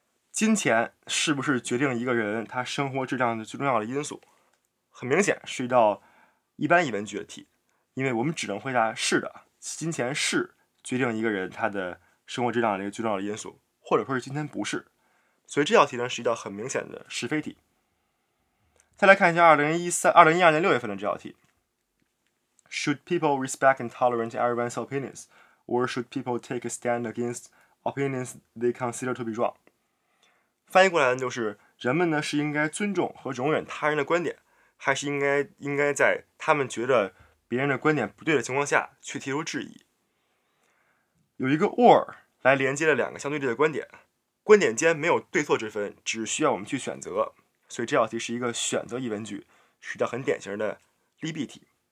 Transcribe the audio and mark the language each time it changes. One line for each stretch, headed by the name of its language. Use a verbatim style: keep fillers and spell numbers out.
Chinese: 金钱是不是决定一个人他生活质量的最重要的因素？很明显是一道一般疑问句的题，因为我们只能回答是的，金钱是决定一个人他的生活质量的一个最重要的因素，或者说是金钱不是。所以这道题呢是一道很明显的是非题。再来看一下二零一二年六月份的这道题
English: ：Should people respect and tolerate everyone's opinions, or should people take a stand against opinions they consider to be wrong？
Chinese: 翻译过来呢就是：人们呢是应该尊重和容忍他人的观点，还是应该应该在他们觉得别人的观点不对的情况下去提出质疑？有一个 or 来连接了两个相对立的观点。观点间没有对错之分，只需要我们去选择，所以这道题是一个选择疑问句，是一道很典型的利弊题。